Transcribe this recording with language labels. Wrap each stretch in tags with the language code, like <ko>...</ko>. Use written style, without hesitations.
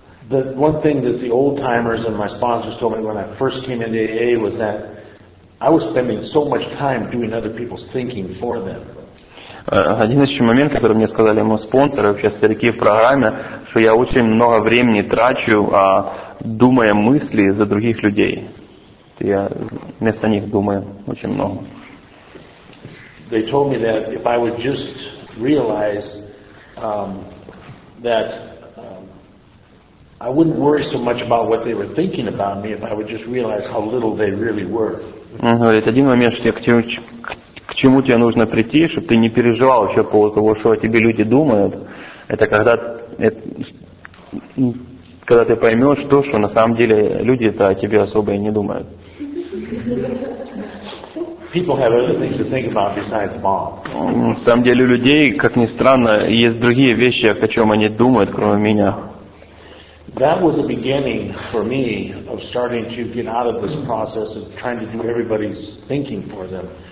<en>The one thing that the old timers and my sponsors told me when I first came into AA was that I was spending so much time doing other people's thinking for them.</en> <ru>Один из еще моментов, который мне сказали мои спонсоры, вообще старики в программе, что я очень много времени трачу, думая мысли за других людей. Я вместо них думаю очень много.</ru> <en>They told me that if I would just realize that I wouldn't worry so much about what they were thinking about me, if I would just realize how little they really were.</en> <ru>Он говорит, один момент, что я к чему тебе нужно прийти, чтобы ты не переживал вообще по того, что о тебе люди думают, это когда ты поймешь то, что на самом деле люди-то о тебе особо и не думают.</ru> <en>People have other things to think about besides Bob.</en> <ru>На самом деле у людей, как ни странно, есть другие вещи, о чем они думают, кроме меня.</ru> <en>That was the beginning for me of starting to get out of this process of trying to do everybody's thinking for them.</en>